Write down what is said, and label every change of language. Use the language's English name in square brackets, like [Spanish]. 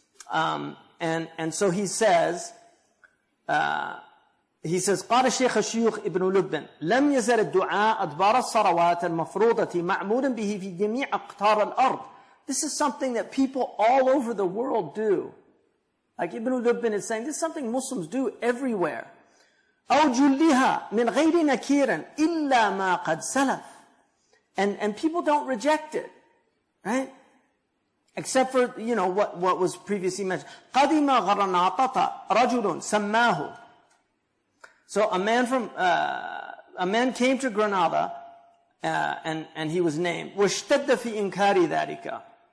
[English] And so he says, [Arabic] قال الشيخ الشيوخ ابن لبن لم يزل الدعاء أدبار الصلوات المفروضة معمولا به في جميع أقطار الأرض. [English] This is something that people all over the world do. Like Ibn Lubbin is saying, this is something Muslims do everywhere. [Arabic] أو جلها من غير نكير إلا ما قد سلف. [English] And people don't reject it, right? Except for, you know, what was previously mentioned. [Arabic] قدم غرناطة رجل سماه. [English] So a man from came to Granada and he was named. [Arabic] واشتد في إنكار ذلك.